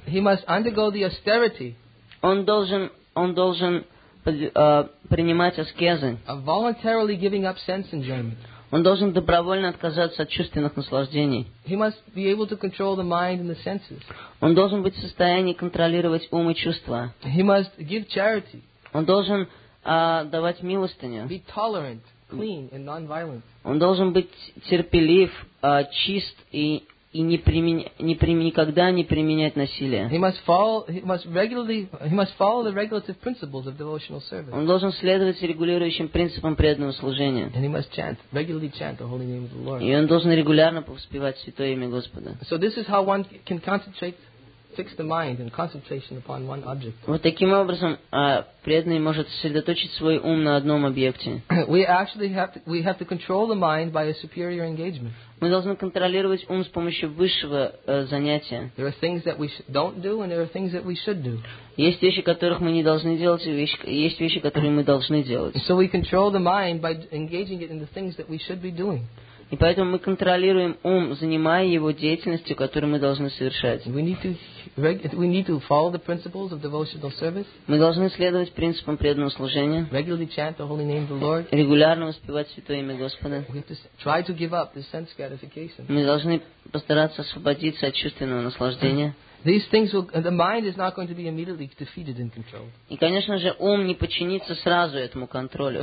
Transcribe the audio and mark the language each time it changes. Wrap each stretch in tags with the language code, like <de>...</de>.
<en>He must undergo the austerity.</en> <ru>Он должен принимать аскезы.</ru> <en>Of voluntarily giving up sense enjoyment.</en> <ru>Он должен добровольно отказаться от чувственных наслаждений.</ru> <en>He must be able to control the mind and the senses.</en> <ru>Он должен быть в состоянии контролировать ум и чувства.</ru> <en>He must give charity.</en> <ru>Он должен давать милостыню.</ru> <en>Be tolerant, clean and non-violent.</en> <ru>Он должен быть терпелив, чист никогда не применять насилие.</ru> <en>He must follow the regulative principles of devotional service.</en> <ru>Он должен следовать регулирующим принципам преданного служения.</ru> <en>And he must chant, regularly chant the holy name of the Lord.</en> <ru>И он должен регулярно повспевать святое имя Господа.</ru> <en>So this is how one can concentrate, fix the mind and concentration upon one object.</en> <ru>Вот таким образом преданный может сосредоточить свой ум на одном объекте.</ru> <en>We have to control the mind by a superior engagement.</en> <ru>Мы должны контролировать ум с помощью высшего занятия.</ru> <en>There are things that we don't do and there are things that we should do.</en> <ru>Есть вещи, которых мы не должны делать, есть вещи, которые мы должны делать.</ru> <en>So we control the mind by engaging it in the things that we should be doing.</en> <ru>И поэтому мы контролируем ум, занимая его деятельностью, которую мы должны совершать.</ru> <en>We need to follow the principles of devotional service.</en> <ru>Мы должны следовать принципам преданного служения.</ru> <en>Regularly chant the holy name of the Lord.</en> <ru>Регулярно воспевать святое имя Господа.</ru> <en>We have to try to give up the sense gratification.</en> <ru>Мы должны постараться освободиться от чувственного наслаждения.</ru> <en>These things will, and the mind is not going to be immediately defeated and controlled.</en> <ru>И, конечно же, ум не подчинится сразу этому контролю.</ru>